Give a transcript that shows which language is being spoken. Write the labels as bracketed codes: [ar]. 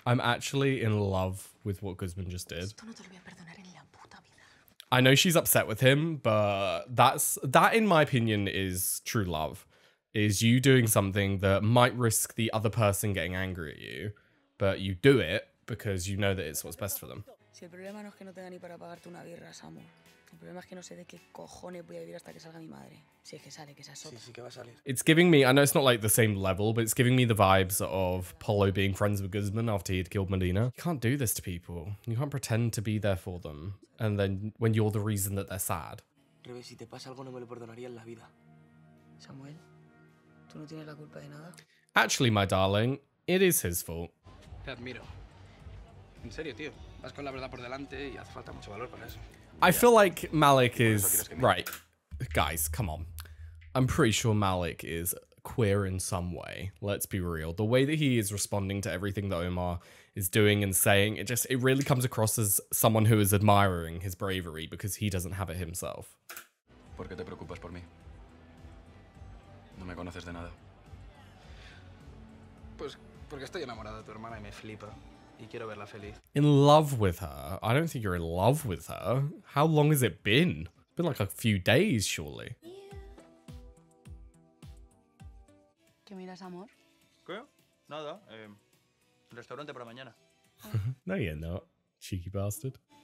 [en] I'm actually in love with what Guzmán just did. [es] Esto no te lo voy a perdonar en la puta vida. [en] I know she's upset with him, but that, in my opinion, is true love. Is you doing something that might risk the other person getting angry at you, but you do it because you know that it's what's best for them. [es] Si el problema no es que no tenga ni para pagarte una birra, Samu. El problema es que no sé de qué cojones voy a vivir hasta que salga mi madre. Si es que sale, que sea sola. Sí, sí que va a salir. [en] It's giving me, I know it's not like the same level, but it's giving me the vibes of Polo being friends with Guzman after he'd killed Medina. You can't do this to people. You can't pretend to be there for them. And then when you're the reason that they're sad. [es] Rebe, si te pasa algo no me lo perdonaría en la vida. Samuel. Tú no tienes la culpa de nada. [en] Actually, my darling, it is his fault. [es] Te admiro. En serio, tío. Vas con la verdad por delante y hace falta mucho valor para eso. [en] I feel like Malik is... Right. Guys, come on. I'm pretty sure Malik is queer in some way. Let's be real. The way that he is responding to everything that Omar is doing and saying, it really comes across as someone who is admiring his bravery because he doesn't have it himself. [es] ¿Por qué te preocupas por mí? No me conoces de nada. Pues porque estoy enamorado de tu hermana y me flipa. [en] In love with her? I don't think you're in love with her. How long has it been? It's been like a few days, surely. [es] ¿Qué miras, amor? ¿Qué? Nada. Restaurante para mañana. [en] No, you're not. Cheeky bastard.